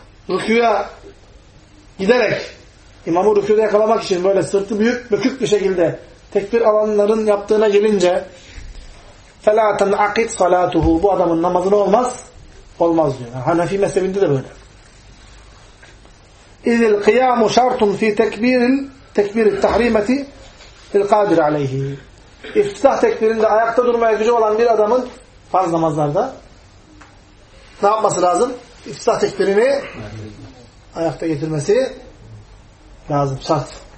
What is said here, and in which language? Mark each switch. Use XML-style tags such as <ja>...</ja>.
<tr>rükûya giderek imamı rükûda yakalamak için böyle sırtı büyük bükük bir şekilde tekbir alanların yaptığına gelince</tr> <ar>فَلَا تَنْعَقِدْ صَلَاتُهُ</ar> <tr>bu adamın namazı ne olmaz? Olmaz diyor. Yani Hanefi mezhebinde de böyle.</tr> <ar>اِذِ الْقِيَامُ شَرْطٌ فِي تَكْبِيرٍ tekbir-i tahrimeti il-kadir aleyhi.</ar> <tr>İftitah tekbirinde ayakta durmaya gücü olan bir adamın farz namazlarda ne yapması lazım? İftitah tekbirini ayakta getirmesi lazım. Şart.</tr>